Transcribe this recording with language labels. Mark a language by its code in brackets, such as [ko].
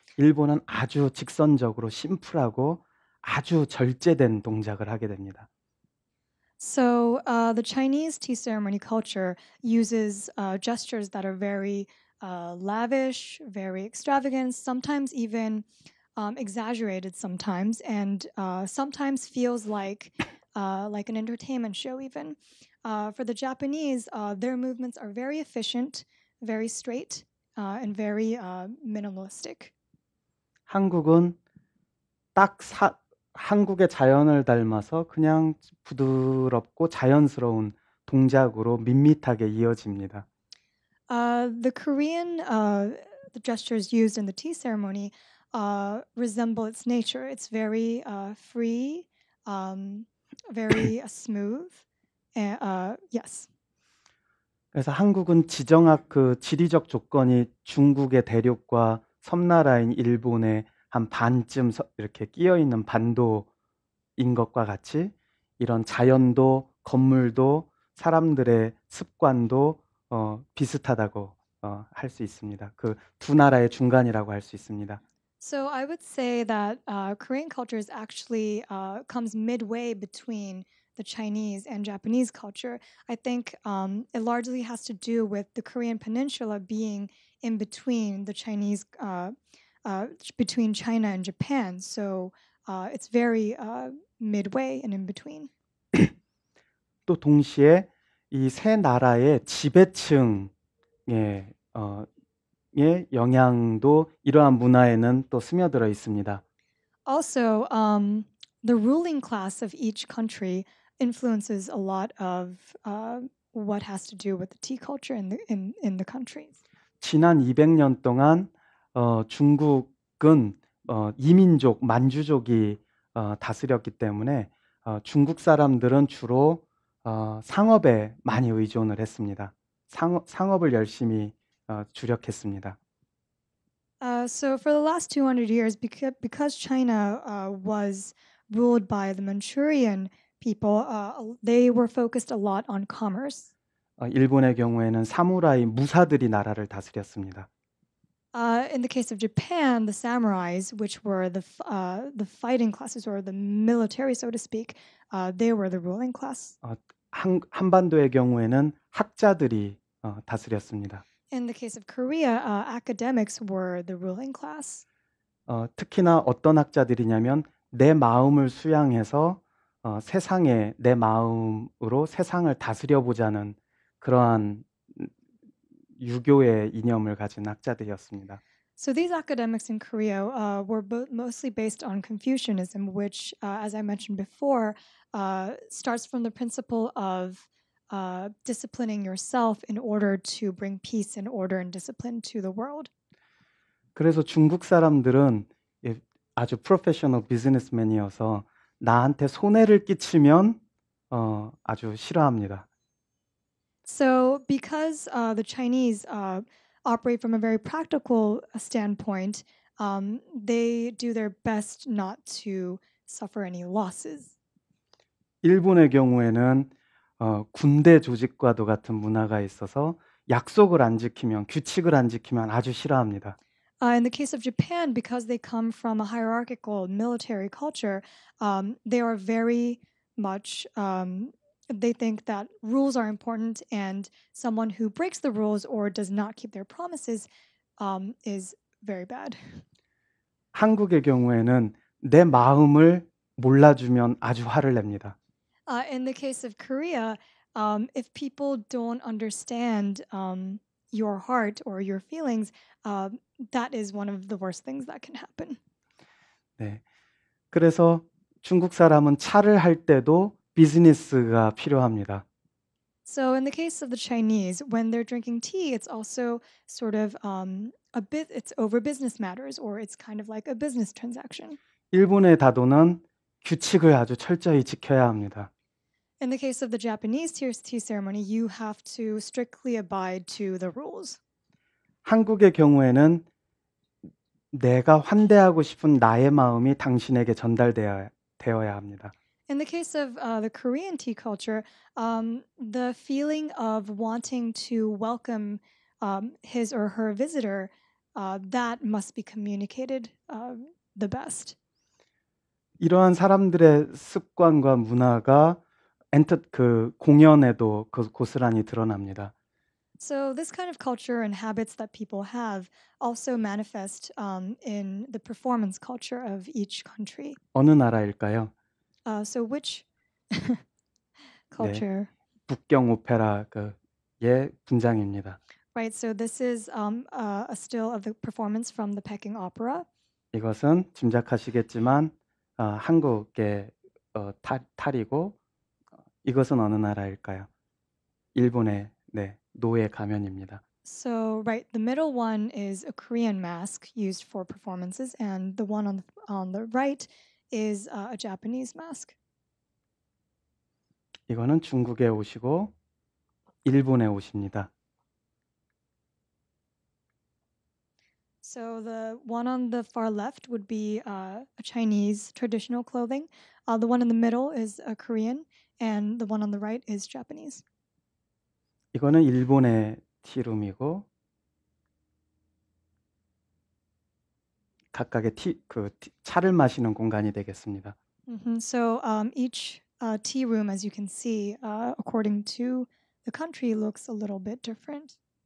[ko] 일본은 아주 직선적으로 심플하고 아주 절제된 동작을 하게 됩니다. [en] So the Chinese tea ceremony culture uses gestures that are very lavish, very extravagant, sometimes even exaggerated sometimes, and sometimes feels like an entertainment show even. For the Japanese, their movements are very efficient, very straight, and very minimalistic. [ko] 한국은 딱 한국의 자연을 닮아서 그냥 부드럽고 자연스러운 동작으로 밋밋하게 이어집니다. [en] The Korean the gestures used in the tea ceremony resemble its nature. It's very free, very smooth. Yes. [ko] 그래서 한국은 지정학 그 지리적 조건이 중국의 대륙과 섬나라인 일본의 한 반쯤 이렇게 끼어 있는 반도인 것과 같이 이런 자연도 건물도 사람들의 습관도 비슷하다고 할 수 있습니다. 그 두 나라의 중간이라고 할 수 있습니다. [en] So I would say that Korean culture is actually comes midway between the Chinese and Japanese culture. I think it largely has to do with the Korean peninsula being in between the Chinese between China and Japan, so it's very midway and in between. [ko] 또 동시에 이 세 나라의 지배층의 영향도 이러한 문화에는 또 스며들어 있습니다. [en] Also, the ruling class of each country influences a lot of what has to do with the tea culture in the countries. [ko] 지난 200년 동안 중국 은 이민족 만주족이 다스렸기 때문에 중국 사람들은 주로 상업에 많이 의존을 했습니다. 상업을 열심히 주력했습니다. [en] So for the last 200 years, because China was ruled by the Manchurian people, they were focused a lot on commerce. [ko] 일본의 경우에는 사무라이 무사들이 나라를 다스렸습니다. [en] In the case of Japan, the samurais, which were the fighting classes or the military, so to speak, they were the ruling class. [ko] 한반도의 경우에는 학자들이 다스렸습니다. [en] In the case of Korea, academics were the ruling class. [ko] 특히나 어떤 학자들이냐면 내 마음을 수양해서 세상에 내 마음으로 세상을 다스려 보자는 그러한 유교의 이념을 가진 학자들이었습니다. [en] So these academics in Korea were mostly based on Confucianism, which, as I mentioned before, starts from the principle of disciplining yourself in order to bring peace and order and discipline to the world. [ko] 그래서 중국 사람들은 아주 프로페셔널 비즈니스맨이어서 나한테 손해를 끼치면 아주 싫어합니다. [en] So because the Chinese operate from a very practical standpoint, they do their best not to suffer any losses. [ko] 일본의 경우에는 군대 조직과도 같은 문화가 있어서 약속을 안 지키면 규칙을 안 지키면 아주 싫어합니다. [en] In the case of Japan, because they come from a hierarchical military culture, they are very much they think that rules are important, and someone who breaks the rules or does not keep their promises is very bad. [ko] 한국의 경우에는 내 마음을 몰라주면 아주 화를 냅니다. [en] In the case of Korea, if people don't understand your heart or your feelings, that is one of the worst things that can happen. [ko] 네, 그래서 중국 사람은 차를 할 때도 비즈니스가 필요합니다. [en] So in the case of the Chinese, when they're drinking tea, it's also sort of it's over business matters, or it's kind of like a business transaction. [ko] 일본의 다도는 규칙을 아주 철저히 지켜야 합니다. [en] In the case of the Japanese tea ceremony, you have to strictly abide to the rules. [ko] 한국의 경우에는 내가 환대하고 싶은 나의 마음이 당신에게 전달되어야 합니다. [en] In the case of the Korean tea culture, the feeling of wanting to welcome his or her visitor, that must be communicated the best. [ko] 이러한 사람들의 습관과 문화가 공연에도 고스란히 드러납니다. [en] So this kind of culture and habits that people have also manifest in the performance culture of each country. [ko] 어느 나라일까요? [en] So which culture? 네, [ko] 북경 오페라의 분장입니다. [en] Right, so this is a still of the performance from the Peking Opera. [ko] 이것은 짐작하시겠지만 한국의 탈이고 이것은 어느 나라일까요? 일본의 네, 노예 가면입니다. [en] So, right, the middle one is a Korean mask used for performances, and the one on the right is a Japanese mask. [ko] 이거는 중국의 옷이고 일본의 옷입니다. [en] So the one on the far left would be a Chinese traditional clothing. The one in the middle is a Korean, and the one on the right is Japanese. [ko] 이거는 일본의 티룸이고 각각의 차를 마시는 공간이 되겠습니다. Mm-hmm. [en] So each tea room, as you can see, according to the country, looks a little bit different.